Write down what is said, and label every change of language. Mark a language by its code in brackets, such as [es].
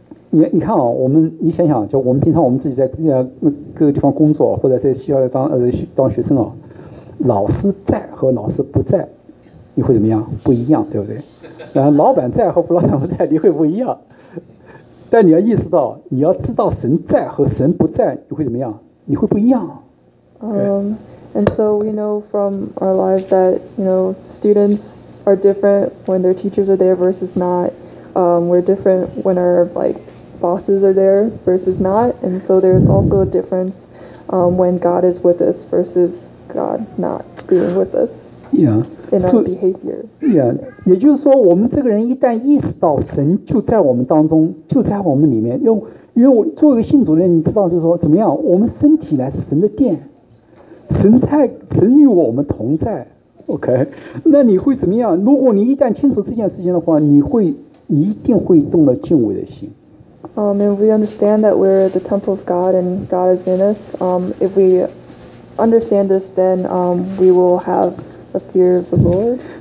[zh] 你看啊，我们你想想，就我们平常我们自己在各个地方工作，或者在学校当学生啊，老师在和老师不在，你会怎么样？不一样，对不对？然后老板在和老板不在，你会不一样。但你要意识到，你要知道神在和神不在，你会怎么样？你会不一样。 [en] And so we know from our lives that, you know, students are different when their teachers are there versus not. We're different when our, like, bosses are there versus not. And so there's also a difference when God is with us versus God not being with us. Yeah. In our behavior. Yeah. [zh] 也就是说我们这个人一旦意识到神就在我们当中，就在我们里面。因为我作为一个信主人，你知道就是说怎么样，我们身体来是神的殿。神与我们同在 ， [en] OK， [zh] 那你会怎么样？如果你一旦清楚这件事情的话，你一定会动了敬畏的心。 [en] And we understand that we're the temple of God and God is in us. If we understand this, then we will have a fear of the Lord.